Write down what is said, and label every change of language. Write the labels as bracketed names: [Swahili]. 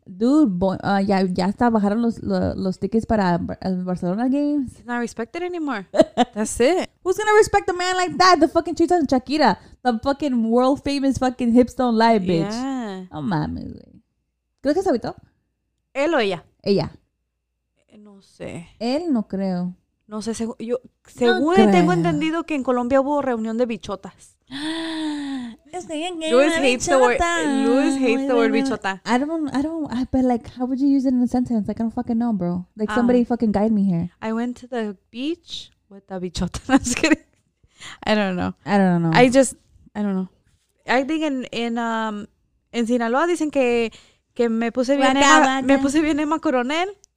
[Spanish] Dude, ya está, bajaron los tickets para el Barcelona games. [English] He's not respected anymore. That's it. Who's gonna respect a man like that? The fucking cheats on Shakira. The fucking world famous fucking hips don't lie, bitch. Yeah. [Spanish] Oh, mami. ¿Crees que se habitó? ¿Él o ella? Ella. No sé. Él no creo. No sé, según tengo entendido que en Colombia hubo reunión de bichotas. [English] Luis hates the word bichota. I don't, but like, how would you use it in a sentence? Like, I don't fucking know, bro. Like, somebody fucking guide me here. I went to the beach with the bichota. I'm just kidding. I don't know. [Spanish] I think in Sinaloa, dicen que me puse bien Emma Coronel.